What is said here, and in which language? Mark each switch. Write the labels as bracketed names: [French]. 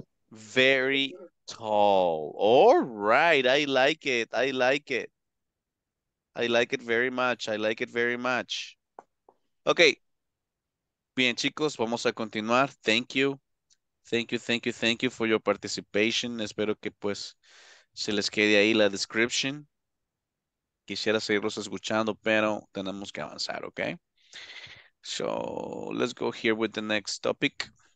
[English] Very tall. All right, I like it. I like it. I like it very much. I like it very much. Okay. [Spanish] Bien, chicos, vamos a continuar. [English] Thank you. Thank you, thank you, thank you for your participation. [Spanish] Espero que, pues, se les quede ahí la description. Quisiera seguirlos escuchando, pero tenemos que avanzar, okay? [English] So, let's go here with the next topic.